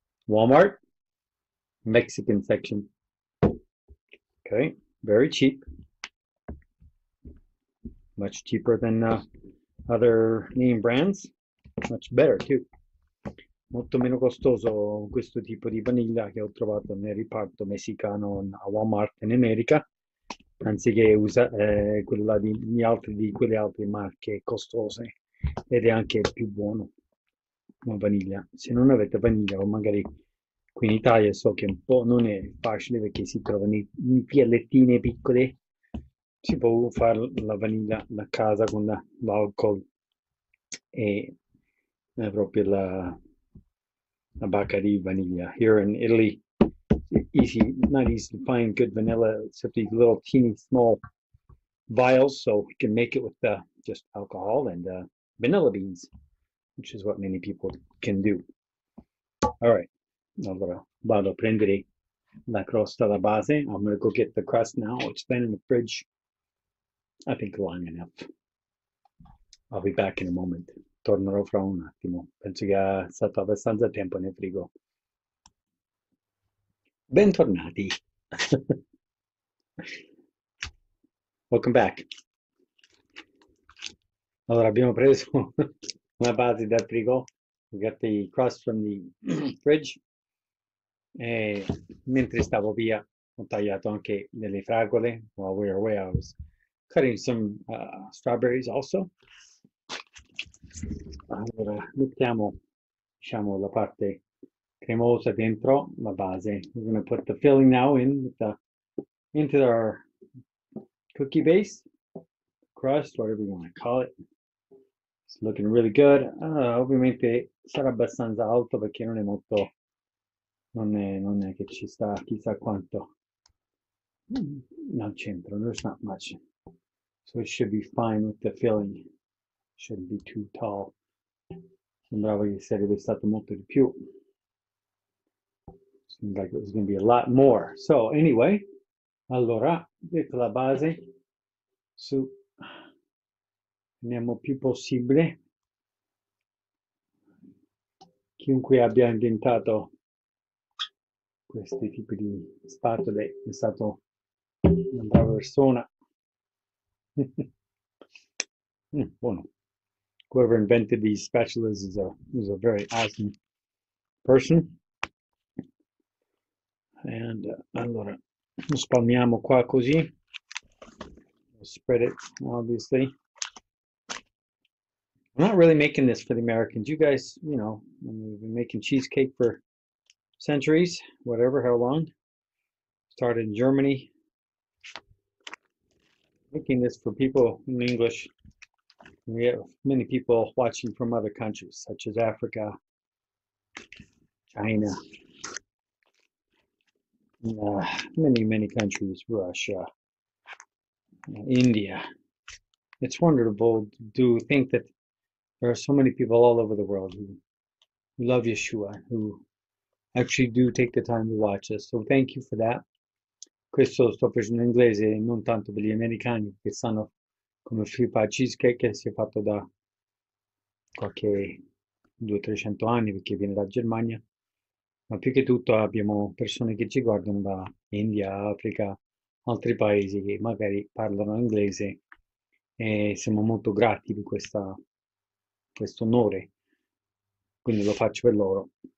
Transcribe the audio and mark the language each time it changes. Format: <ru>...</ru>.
<en>Walmart, Mexican section. Okay, very cheap. Much cheaper than other name brands. Much better too.</en> <it>Molto meno costoso questo tipo di vaniglia che ho trovato nel reparto messicano a Walmart in America, anziché usare quella di quelle altre marche costose, ed è anche più buono come vaniglia. Se non avete vaniglia, o magari qui in Italia so che un po' non è facile perché si trova in piallettine piccole, si può fare la vaniglia da casa con l'alcol e proprio la bacca di vaniglia.</it> <en>Here in Italy, easy, not easy to find good vanilla except these little teeny small vials, so you can make it with just alcohol and vanilla beans, which is what many people can do. All right,</en> <it>allora vado a prendere la crosta alla base.</it> <en>I'm gonna go get the crust now. It's been in the fridge, I think, long enough. I'll be back in a moment.</en> <it>Tornerò fra un attimo. Penso che sia stato abbastanza tempo nel frigo. Bentornati.</it> <en>Welcome back.</en> <it>Allora, abbiamo preso una base dal frigo.</it> <en>We got the crust from the fridge.</en> <it>E mentre stavo via, ho tagliato anche delle fragole.</it> <en>While we were away, I was cutting some strawberries also.</en> <it>Allora, mettiamo, diciamo, la parte cremosa dentro la base.</it> <en>We're going to put the filling now into our cookie base, crust, whatever you want to call it. It's looking really good.</en> <it>Ovviamente sarà abbastanza alto perché non è molto, non è che ci sta chissà quanto al centro.</it> <en>There's not much. So it should be fine with the filling. Shouldn't be too tall.</en> <it>Sembrava che sarebbe stato molto di più. So</it> <en>Seems like it was going to be a lot more. So anyway,</en> <it>allora, detto la base, su, andiamo più possibile. Chiunque abbia inventato questi tipi di spatole è stato una brava persona. Buono.</it> <en>Whoever invented these spatulas is a very awesome person.</en> <it>And allora, lo spalmiamo qua così.</it> <en>Spread it, obviously. I'm not really making this for the Americans. You guys, you know, we've been making cheesecake for centuries, whatever, how long. Started in Germany. Making this for people in English. We have many people watching from other countries, such as Africa, China, many, many countries, Russia, India. It's wonderful to think that there are so many people all over the world who love Yeshua, who actually do take the time to watch us. So thank you for that.</en> <it>Questo lo sto facendo in inglese, non tanto per gli americani che sanno come si fa cheesecake, che si è fatto da qualche 200-300 anni, perché viene da Germania, ma più che tutto abbiamo persone che ci guardano da India, Africa, altri paesi che magari parlano inglese, e siamo molto grati di questo onore, quindi lo faccio per loro.</it>